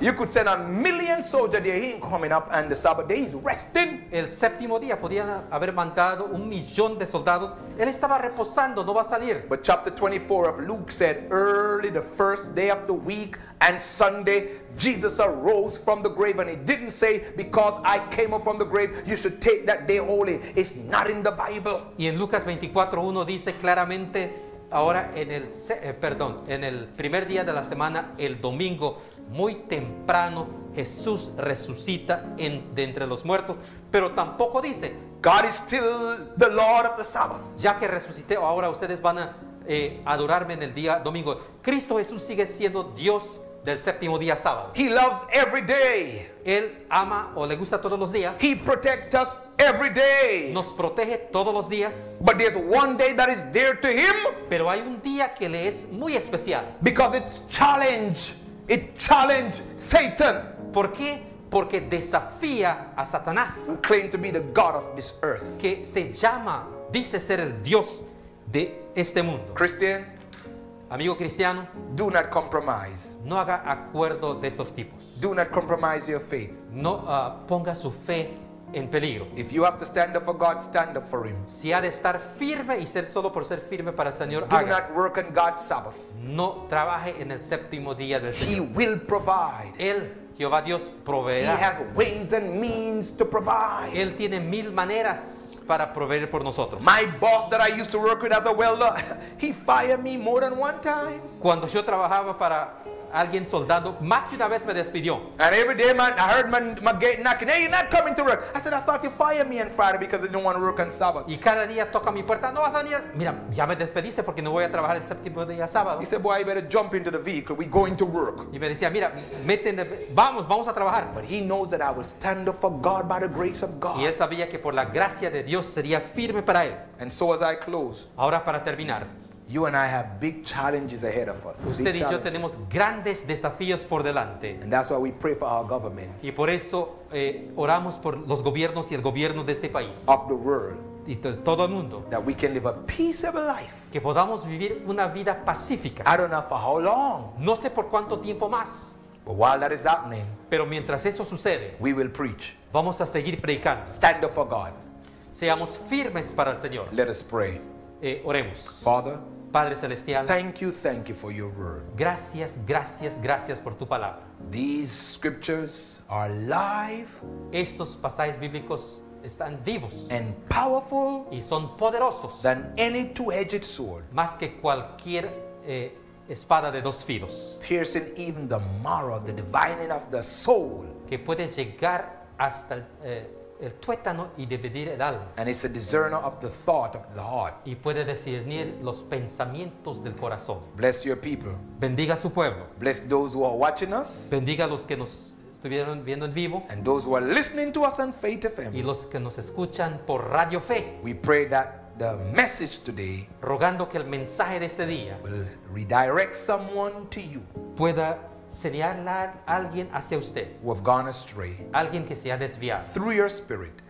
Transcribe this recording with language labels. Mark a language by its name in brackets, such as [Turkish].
[English] You could send a million soldiers there. He ain't coming up on the Sabbath day. He's resting. [Spanish] El séptimo día podían haber mandado un millón de soldados. Él estaba reposando. No va a salir. [English] But chapter 24 of Luke said, early the first day of the week and Sunday, Jesus arose from the grave. And he didn't say, because I came up from the grave, you should take that day holy. It's not in the Bible. [Spanish] Y en Lucas 24:1 dice claramente, ahora en el perdón, en el primer día de la semana, el domingo, muy temprano, Jesús resucita en, de entre los muertos, pero tampoco dice, [English] God is still the Lord of the Sabbath. [Spanish] Ya que resucité, ahora ustedes van a adorarme en el día domingo. Cristo Jesús sigue siendo Dios del séptimo día sábado. [English] He loves every day. [Spanish] Él ama o le gusta todos los días. [English] He protects us every day. [Spanish] Nos protege todos los días. [English] But there's one day that is dear to him. [Spanish] Pero hay un día que le es muy especial. [English] Because it's challenge. It challenged Satan. [Spanish] ¿Por qué? Porque desafía a Satanás. [English] Who claimed to be the God of this earth. [Spanish] Que se llama, dice ser el Dios de este mundo. [English] Christian. [Spanish] Amigo cristiano, [English] do not compromise. [Spanish] No haga acuerdo de estos tipos. [English] Do not compromise your faith. [Spanish] No ponga su fe en peligro. [English] If you have to stand up for God, stand up for him. [Spanish] Si ha de estar firme y ser solo por ser firme para el Señor, haga. [English] Do not work on God's Sabbath. [Spanish] No trabaje en el séptimo día del Señor. [English] He will provide. [Spanish] Él, Jehová Dios, proveerá. [English] He has ways and means to provide. [Spanish] Él tiene mil maneras para proveer por nosotros. [English] My boss that I used to work with as a welder, he fired me more than one time. [Spanish] Cuando yo trabajaba para alguien soldando, más que una vez me despidió. [English] And every day man, I heard my gate knocking, hey, you're not coming to work. I said, I thought you fired me on Friday because I didn't want to work on Sabbath. [Spanish] Y cada día toca mi puerta, no vas a venir. Mira, ya me despediste porque no voy a trabajar el séptimo día sábado. [English] He said, boy, you better jump into the vehicle, we're going to work. [Spanish] Y me decía, mira, métete, vamos a trabajar. [English] But he knows that I will stand up for God by the grace of God. [Spanish] Y él sabía que por la gracia de Dios sería firme para él. [English] And so as I close, [Spanish] ahora para terminar, [English] you and I have big challenges ahead of us. [Spanish] Usted y yo tenemos grandes desafíos por delante. [English] And that's why we pray for our governments. [Spanish] Y por eso oramos por los gobiernos y el gobierno de este país. [English] Of the world. [Spanish] Y todo el mundo. [English] That we can live a peaceable life. [Spanish] Que podamos vivir una vida pacífica. [English] I don't know for how long. [Spanish] No sé por cuánto tiempo más. [English] But while that is happening. [Spanish] Pero mientras eso sucede. [English] We will preach. [Spanish] Vamos a seguir predicando. [English] Stand up for God. [Spanish] Seamos firmes para el Señor. [English] Let us pray. [Spanish] Oremos. [English] Father. [Spanish] Padre celestial. [English] Thank you for your word. [Spanish] Gracias por tu palabra. [English] These scriptures are alive. [Spanish] Estos pasajes bíblicos están vivos. [English] And powerful. [Spanish] Y son poderosos. [English] Than any two-edged sword. [Spanish] Más que cualquier espada de dos filos. [English] Piercing even the marrow, the dividing of the soul. [Spanish] Que puede llegar hasta el tuétano y dividir el alma. [English] And it's a discerner of the thought of the heart. [Spanish] Y puede discernir los pensamientos del corazón. [English] Bless your people. [Spanish] Bendiga a su pueblo. [English] Bless those who are watching us. [Spanish] Bendiga a los que nos estuvieron viendo en vivo. [English] And those who are listening to us on Faith FM. [Spanish] Y los que nos escuchan por Radio Fe. [English] We pray that the message today. [Spanish] Rogando que el mensaje de este día. [English] Will redirect someone to you. [Spanish] Pueda señalar alguien hacia usted. [English] Who have gone astray. [Spanish] Alguien que se ha desviado. [English] Through your spirit.